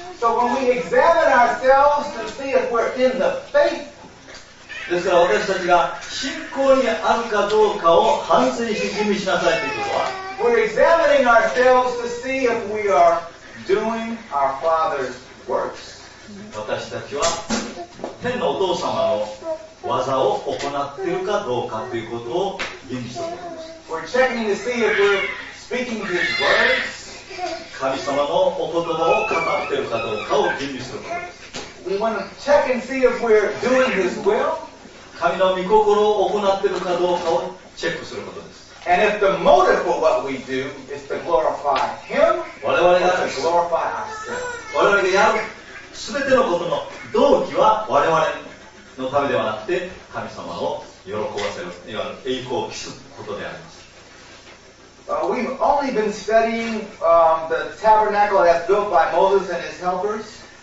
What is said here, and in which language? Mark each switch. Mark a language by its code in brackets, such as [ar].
[en] So when we examine ourselves to see if we're in the faith, [ja] ですから私たちが信仰にあるかどうかを反省し吟味しなさいということは、 [en] We're examining ourselves to see if we are doing our Father's works. [ja] 私たちは天のお父様の技を行っているかどうかということを吟味しております。 [en] We're checking to see if we're speaking His words. [ja] 神様のお言葉を語っているかどうかを吟味しております。 [en] We want to check and see if we're doing His will. [ja] 神の御心を行っているかどうかをチェックすることです。 [en] And if the motive for what we do is to glorify Him, or to glorify ourselves. [ja] 我々がやる全てのことの動機は我々のためではなくて神様を喜ばせる、いわゆる栄光を期すことであります。 [en] We've only been studying, the tabernacle that's built by Moses and his helpers.